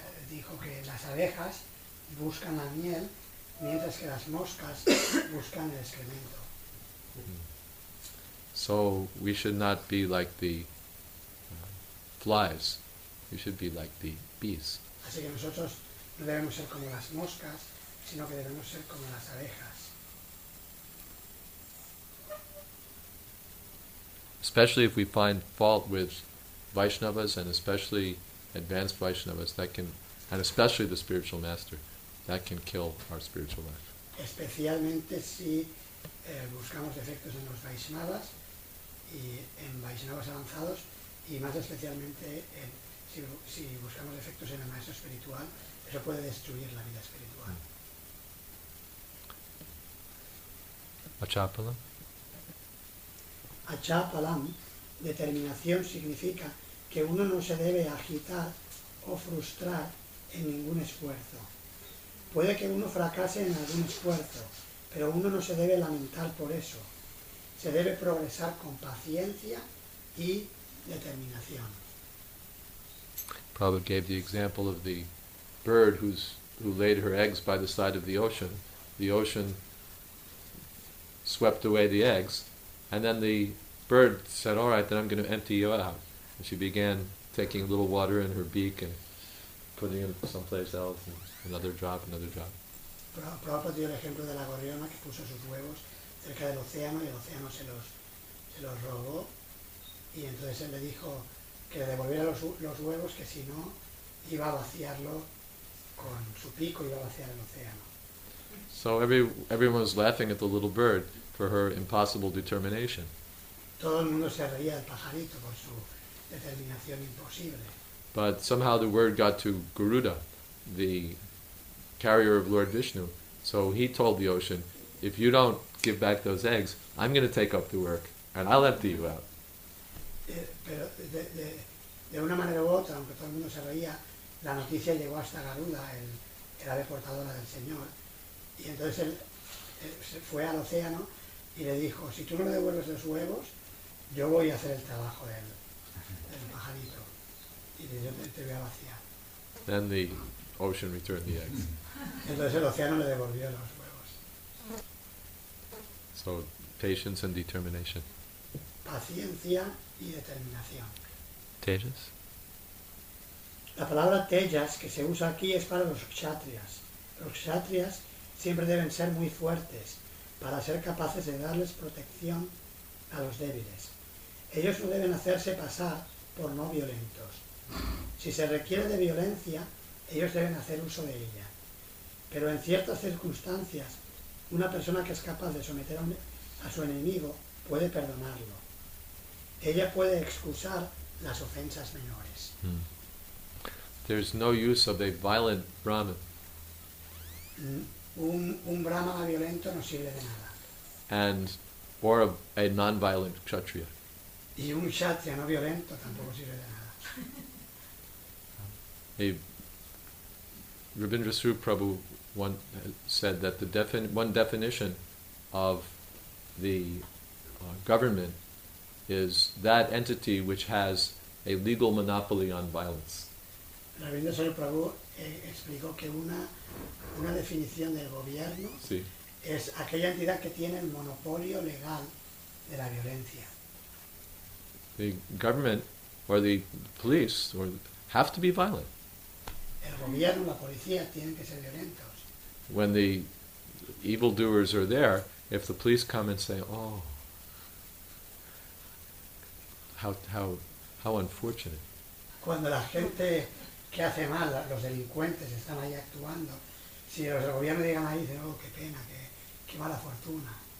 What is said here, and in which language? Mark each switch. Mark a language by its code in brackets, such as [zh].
[es] Dijo que las abejas buscan la miel, mientras que las moscas buscan el excremento. [en] So we should not be like the flies. We should be like the bees. [es] Así que nosotros no debemos ser como las moscas, sino que debemos ser como las abejas. [en] Especially if we find fault with Vaishnavas, and especially advanced Vaishnavas, that can, and especially the spiritual master, that can kill our spiritual life. [es] Especialmente si buscamos defectos en los Vaishnavas y en Vaishnavas avanzados, y más especialmente si buscamos defectos en el maestro espiritual, eso puede destruir la vida espiritual. Achapalam. Achapalam, determinación, significa que uno no se debe agitar o frustrar en ningún esfuerzo. Puede que uno fracase en algún esfuerzo, pero uno no se debe lamentar por eso. Se debe progresar con paciencia y determinación. [en] Prabhupada gave the example of the bird who laid her eggs by the side of the ocean. The ocean swept away the eggs, and then the bird said, "All right, then I'm going to empty you out." And she began taking a little water in her beak and putting it someplace else, and another drop. [es] Prabhupada dio el ejemplo de la gorriona que puso sus huevos cerca del océano y el océano se los robó, y entonces él le dijo que le devolviera los huevos, que si no iba a vaciarlo con su pico, iba a vaciar el océano. [en] So everyone was laughing at the little bird for her impossible determination. [es] Todo el mundo se reía del pajarito por su determinación imposible. [en] But somehow the word got to Garuda, the carrier of Lord Vishnu. So he told the ocean, if you don't give back those eggs, I'm going to take up the work, and I'll empty you out. [es] Pero De una manera u otra, aunque todo el mundo se reía, la noticia llegó hasta Garuda, el ave portadora del Señor. Y entonces él se fue al océano y le dijo, si tú no le devuelves los huevos, yo voy a hacer el trabajo del pajarito. Y le dijo, te voy a vaciar. [en] Then the ocean returned the eggs. [es] Entonces el océano le devolvió los huevos. [en] So, patience and determination. [es] Paciencia y determinación. Tejas. La palabra tejas que se usa aquí es para los kshatriyas. Los kshatriyas siempre deben ser muy fuertes para ser capaces de darles protección a los débiles. Ellos no deben hacerse pasar por no violentos. Si se requiere de violencia, ellos deben hacer uso de ella. Pero en ciertas circunstancias, una persona que es capaz de someter a su enemigo puede perdonarlo. Ella puede excusar las ofensas menores. Hmm. [en] There's no use of a violent Brahman. [es] Un Brahmana violento no sirve de nada. [en] And or a non-violent Kshatriya. [es] Y un Kshatriya no violento tampoco sirve de nada. [en] Rabindrasrupa Prabhu once said that one definition of the government is that entity which has a legal monopoly on violence. [es] Rabindrasrupa Prabhu explicó que una definición del gobierno sí. es aquella entidad que tiene el monopolio legal de la violencia. [en] The government or the police or have to be violent. [es] El gobierno, la policía, tienen que ser violentos. [en] When the evildoers are there, if the police come and say, oh, how unfortunate. [es] Cuando la gente que hace mal, los delincuentes, están ahí actuando, si los del gobierno llegan ahí y dicen, oh, qué pena, qué mala fortuna.